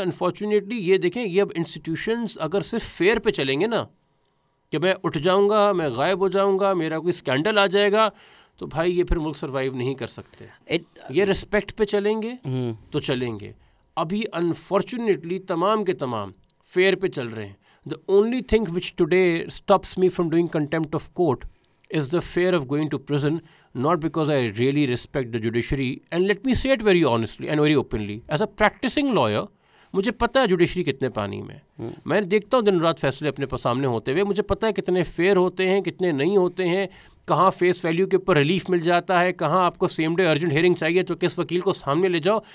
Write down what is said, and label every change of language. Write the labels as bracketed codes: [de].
[ur] Unfortunately یہ دیکھیں, یہ اب انسٹیٹیوشنز اگر صرف فیئر پہ چلیں گے نا, کہ میں اٹھ جاؤں گا, میں غائب ہو جاؤں گا, میرا کوئی اسکینڈل آ جائے گا, تو بھائی یہ پھر ملک سروائیو نہیں کر سکتے. یہ رسپیکٹ پہ چلیں گے تو چلیں گے, ابھی انفارچونیٹلی تمام کے تمام فیئر پہ چل رہے ہیں. [en] The only thing which today stops me from doing contempt of court is the fear of going to prison. Not because I really respect the judiciary, and let me say it very honestly and very openly, as a practicing lawyer, [ur] مجھے پتا ہے judiciary کتنے پانی میں, میں دیکھتا ہوں دن رات فیصلے اپنے سامنے ہوتے ہوئے, مجھے پتا ہے کتنے فیئر ہوتے ہیں, کتنے نہیں ہوتے ہیں, کہاں فیس ویلیو کے اوپر ریلیف مل جاتا ہے, کہاں آپ کو سیم ڈے ارجنٹ ہیئرنگ چاہیے تو کس وکیل کو سامنے لے جاؤ.